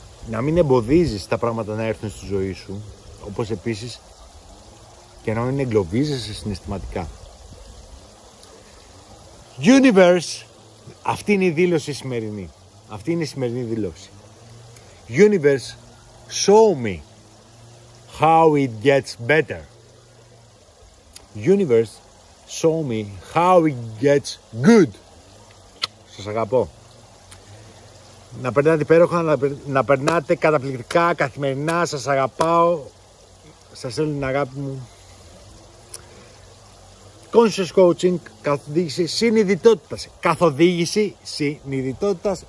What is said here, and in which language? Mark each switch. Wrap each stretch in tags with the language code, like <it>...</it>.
<el>Να μην εμποδίζεις τα πράγματα να έρθουν στη ζωή σου, όπως επίσης και να μην εγκλωβίζεσαι συναισθηματικά. Universe, αυτή είναι η δήλωση σημερινή. Αυτή είναι η σημερινή δήλωση.</el> <en>Universe, show me how it gets better. Universe, show me how it gets good.</en> <el>Σας αγαπώ. Να περνάτε υπέροχα, να περνάτε καταπληκτικά, καθημερινά. Σας αγαπάω. Σας στέλνω την αγάπη μου.</el> <en>conscious coaching,</en> <el>καθοδήγηση συνειδητότητας. Καθοδήγηση συνειδητότητας.</el>